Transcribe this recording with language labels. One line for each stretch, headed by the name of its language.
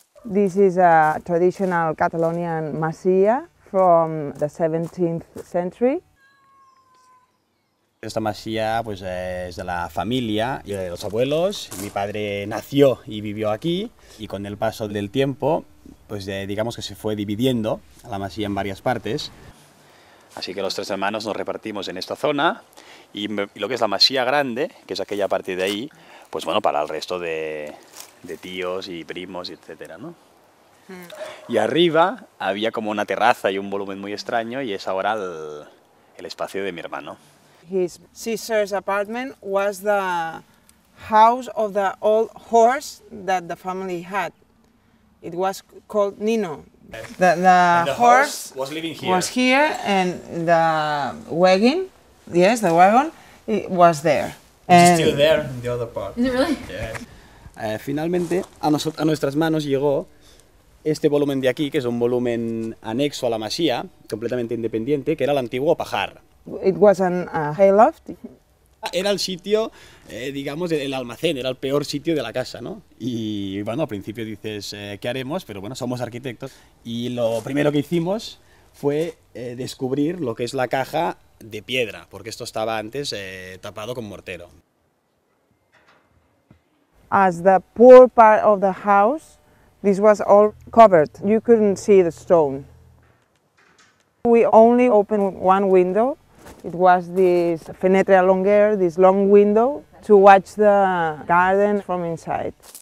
English: This is a traditional Catalonian masia from the 17th century.
Spanish: Esta masía pues es de la familia y de los abuelos. Mi padre nació y vivió aquí y con el paso del tiempo pues digamos que se fue dividiendo la masía en varias partes. Así que los tres hermanos nos repartimos en esta zona y lo que es la masía grande, que es aquella parte de ahí, pues bueno, para el resto de tíos y primos, etcétera, ¿no? Y arriba había como una terraza y un volumen muy extraño y es ahora el espacio de mi hermano.
English: His sister's apartment was the house of the old horse that the family had. It was called Nino. The horse was living here. Was here, and the wagon, yes, the wagon, it was there. It's still there in the other part. Is it really? Yeah.
Spanish: Finalmente, a nuestras manos llegó este volumen de aquí, que es un volumen anexo a la masía, completamente independiente, que era el antiguo pajar.
English: It was a hayloft.
Spanish: Era el sitio, digamos, el almacén, era el peor sitio de la casa, ¿no? Y bueno, al principio dices, ¿qué haremos? Pero bueno, somos arquitectos. Y lo primero que hicimos fue descubrir lo que es la caja de piedra, porque esto estaba antes tapado con mortero.
English: As the poor part of the house, this was all covered. You couldn't see the stone. We only opened one window. It was this
French: fenêtre à longueur,
English: this long window, to watch the garden from inside.